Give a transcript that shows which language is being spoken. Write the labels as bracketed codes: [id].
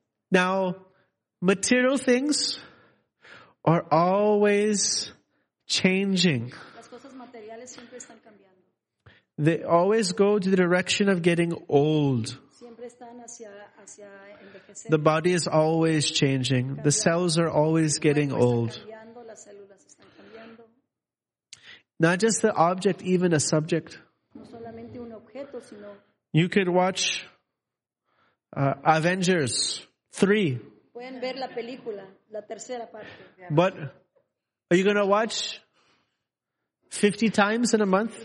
[en] Now, material things are always changing. [es] Las cosas materiales siempre están cambiando. [en] They always go to the direction of getting old. [es] Siempre están hacia, hacia envejecer. [en] The body is always changing. [es] Cambiando. [en] The cells are always getting old. [es] Cambiando. Las células están cambiando. [en] Not just the object, even a subject. [es] No solamente un objeto, sino [en] you could watch Avengers. 3. [es] Pueden ver la película, la tercera parte. [en] But are you going to watch 50 times in a month?